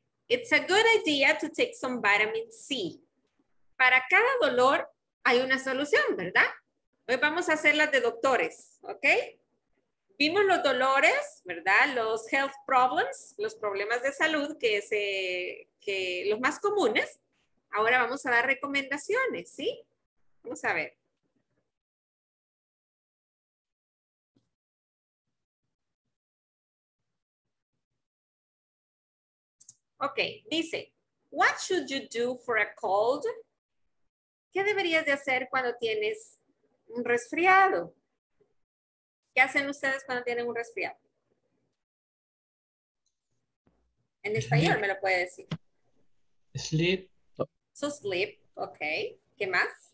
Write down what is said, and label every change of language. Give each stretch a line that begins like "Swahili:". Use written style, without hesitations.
English: It's a good idea to take some vitamin C.
Spanish: Para cada dolor hay una solución, ¿verdad? Hoy vamos a hacer las de doctores, ¿ok? Vimos los dolores, ¿verdad? Los
English: health problems,
Spanish: los problemas de salud, que es los más comunes. Ahora vamos a dar recomendaciones, ¿sí? Vamos a ver.
English: Ok, dice, what should you do for a cold?
Spanish: ¿Qué deberías de hacer cuando tienes un resfriado? ¿Qué hacen ustedes cuando tienen un resfriado? En español me lo puede decir.
English: Sleep. So sleep, ok.
Spanish: ¿Qué más?